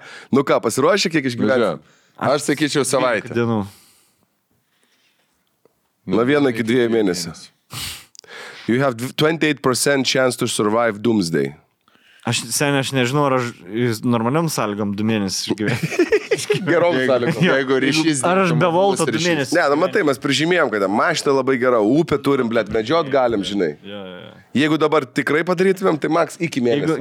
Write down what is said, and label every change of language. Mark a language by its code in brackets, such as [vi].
[lt] Nu ką, pasiruoši, kiek išgyvenu? Aš sakyčiau savaitę. 12 dienų. Na vieną iki dviejų mėnesių. [en] You have 28% chance to survive doomsday. [lt] Aš nežinau, ar aš normaliam sąlygam du mėnesius išgyvenu. Gerom sąlygom, jeigu ryšys. Ar aš be volto du mėnesius. Ne, nu matai, mes prižymėjom, kad mašta labai gera, upė turim, blėt, medžiot galim, žinai. Jeigu dabar tikrai padarytumėm, tai maks iki mėnesio.